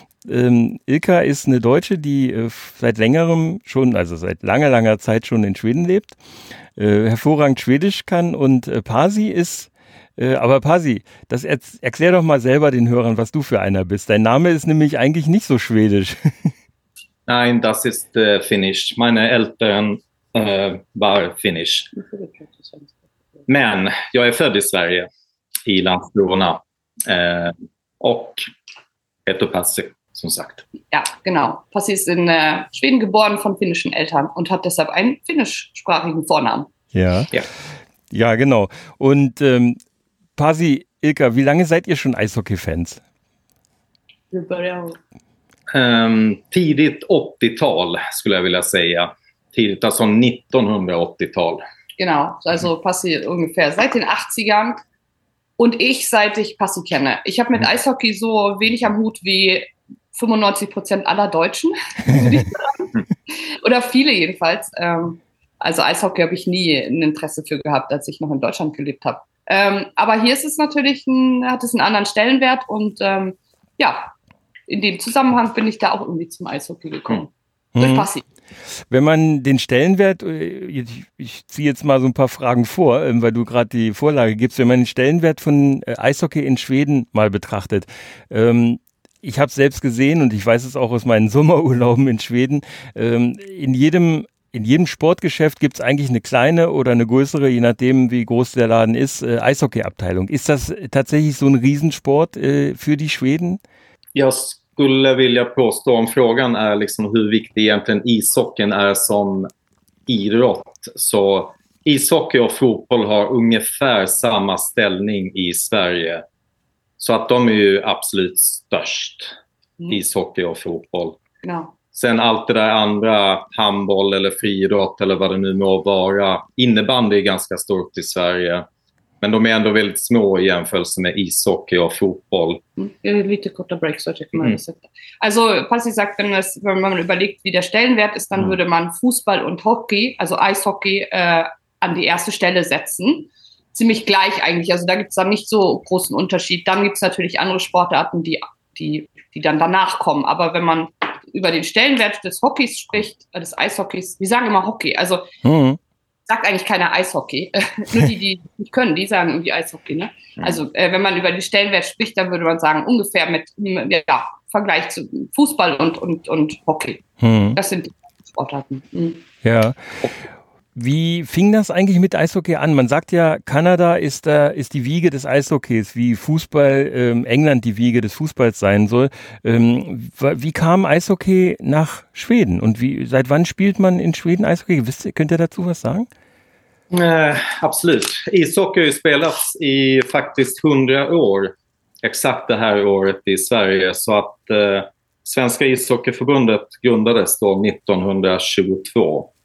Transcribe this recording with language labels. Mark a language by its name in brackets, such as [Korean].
[German] Ilka ist eine Deutsche, die seit langer, langer Zeit schon in Schweden lebt, hervorragend Schwedisch kann und Pasi, das erklär doch mal selber den Hörern, was du für einer bist. Dein Name ist nämlich eigentlich nicht so schwedisch. Nein, das ist Finnisch. Meine Eltern waren Finnisch. [Swedish] Men, jag är född i Sverige, i Landskrona, och heter Pasi. [German] So sagt. Ja, genau. Passi ist in Schweden geboren von finnischen Eltern und hat deshalb einen finnischsprachigen Vornamen. Ja, genau. Und Pasi, Ilka, wie lange seid ihr schon Eishockey-Fans? [Swedish] Wir börjar. Tidigt 80-tal, skulle jag vilja säga. Tidigt, also 1980-tal. [German] Genau, also Passi ungefähr seit den 80ern. Und ich, seit ich Passi kenne. Ich habe mit Eishockey so wenig am Hut wie 95% aller Deutschen, oder viele jedenfalls. Also Eishockey habe ich nie ein Interesse für gehabt, als ich noch in Deutschland gelebt habe. Aber hier ist es natürlich, hat es einen anderen Stellenwert und ja, in dem Zusammenhang bin ich da auch irgendwie zum Eishockey gekommen. Durch Passi. Wenn man den Stellenwert, ich ziehe jetzt mal so ein paar Fragen vor, weil du gerade die Vorlage gibst, wenn man den Stellenwert von Eishockey in Schweden mal betrachtet, ich habe es selbst gesehen und ich weiß es auch aus meinen Sommerurlauben in Schweden. In jedem Sportgeschäft gibt es eigentlich eine kleine oder eine größere, je nachdem wie groß der Laden ist, Eishockeyabteilung. Ist das tatsächlich so ein Riesensport für die Schweden? [Swedish] Jag skulle vilja påstå, om frågan är liksom hur viktig egentligen ishockeyn är som idrott. Så ishockey och fotboll har ungefär samma ställning i Sverige. Så att de är ju absolut störst, ishockey och fotboll. Ja. Sen allt det där andra, handboll eller friidrott eller vad det nu må vara, innebandy är ganska stort i Sverige. Men de är ändå väldigt små i jämförelse med ishockey och fotboll. Mm. Det är lite korta breaks, så kan man sätta. [German] Alltså, passivt sagt, wenn man überlegt, wie der Stellenwert ist, dann würde man Fußball und Hockey, also Eishockey, an die erste Stelle setzen. Ziemlich gleich eigentlich. Also da gibt es dann nicht so großen Unterschied. Dann gibt es natürlich andere Sportarten, die dann danach kommen. Aber wenn man über den Stellenwert des Hockeys spricht, des Eishockeys, wir sagen immer Hockey, also sagt eigentlich keiner Eishockey. Nur die nicht können, die sagen irgendwie Eishockey. Ne? Also wenn man über den Stellenwert spricht, dann würde man sagen, ungefähr mit ja, Vergleich zu Fußball und Hockey. Das sind die Sportarten. Ja. Wie fing das eigentlich mit Eishockey an? Man sagt ja, Kanada ist die Wiege des Eishockeys, wie Fußball England die Wiege des Fußballs sein soll. Wie kam Eishockey nach Schweden? Und seit wann spielt man in Schweden Eishockey? Könnt ihr dazu was sagen? Absolut. [Swedish] Eishockey har spelats i faktiskt 100 år, exakt det här året i Sverige. Så att Svenska Ishockeyförbundet grundades då 1922.